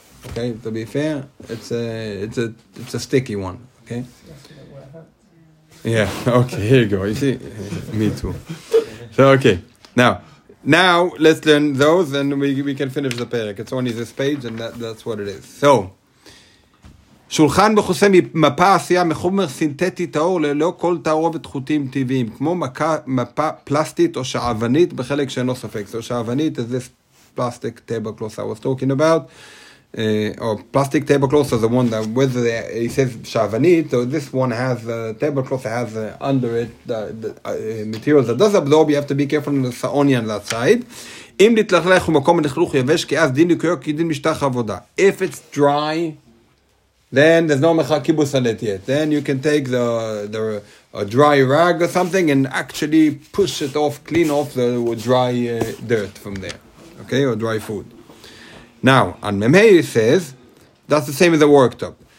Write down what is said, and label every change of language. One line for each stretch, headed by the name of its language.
English: Okay, to be fair, it's a sticky one. Okay. Yeah. Okay. Here you go. You see, me too. So okay. Now let's learn those, and we can finish the perek. It's only this page, and that's what it is. So.
Hebrew: שולחן מכוסה מפה עשייה מחומר סינתטי טהור ללא כל תערובת חוטים טבעיים, כמו מפה פלסטית או שעוונית בחלק שאינו ספק.
English: So שעוונית is this plastic tablecloth I was talking about. or plastic tablecloths, or the one that, whether he says shavanit, or this one has a tablecloth that has under it the materials that does absorb, you have to be careful on the sa'oni on that side.
Hebrew: אם נתלכלך ומקום הנכלוך יבש, כי אז דין ניקויו כדין משטח עבודה.
English: If it's dry, then there's no
Hebrew: מחר כיבוס על
English: it yet. Then you can take a dry rag or something and actually push it off, clean off the dry dirt from there. Okay, or dry food. Now, on Memei it says, that's the same as the worktop.